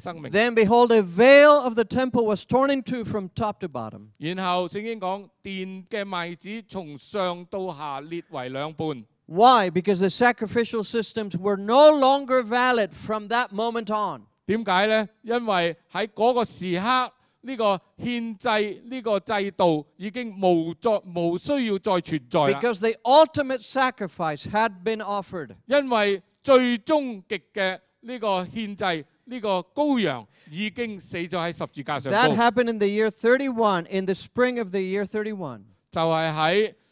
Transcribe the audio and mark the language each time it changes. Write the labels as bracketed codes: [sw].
[en] Then behold, a veil of the temple was torn in two from top to bottom. Why? Because the sacrificial systems were no longer valid from that moment on. [zh] 為什麼呢? 因為在那個時刻, 這個獻祭, 這個制度已經無需要再存在了。 [en] Because the ultimate sacrifice had been offered. [zh] 因為最終極的這個獻祭, 這個羔羊已經死在十字架上。 [en] That happened in the year 31, in the spring of the year 31.